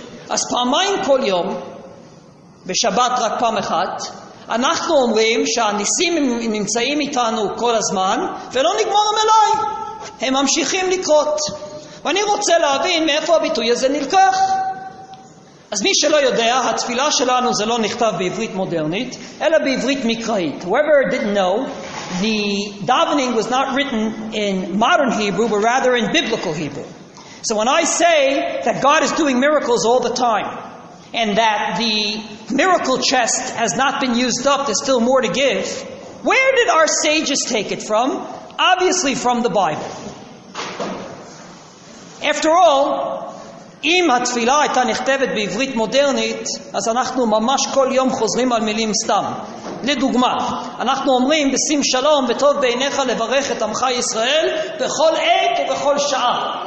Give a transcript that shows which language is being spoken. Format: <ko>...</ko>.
<he>אז פעמיים כל יום, בשבת רק פעם אחת, אנחנו אומרים שהניסים נמצאים איתנו כל הזמן, ולא נגמר המלאי. הם ממשיכים לקרות. ואני רוצה להבין מאיפה הביטוי הזה נלקח. אז מי שלא יודע, התפילה שלנו זה לא נכתב בעברית מודרנית, אלא בעברית מקראית.</he> <en>Whoever didn't know, the davening was not written in modern Hebrew, but rather in biblical Hebrew. So when I say that God is doing miracles all the time, and that the miracle chest has not been used up, there's still more to give, where did our sages take it from? Obviously from the Bible. After all,</en> <he>אם התפילה הייתה נכתבת בעברית מודרנית, אז אנחנו ממש כל יום חוזרים על מילים סתם. לדוגמה, אנחנו אומרים בשים שלום וטוב בעיניך לברך את עמך ישראל בכל עת ובכל שעה.</he>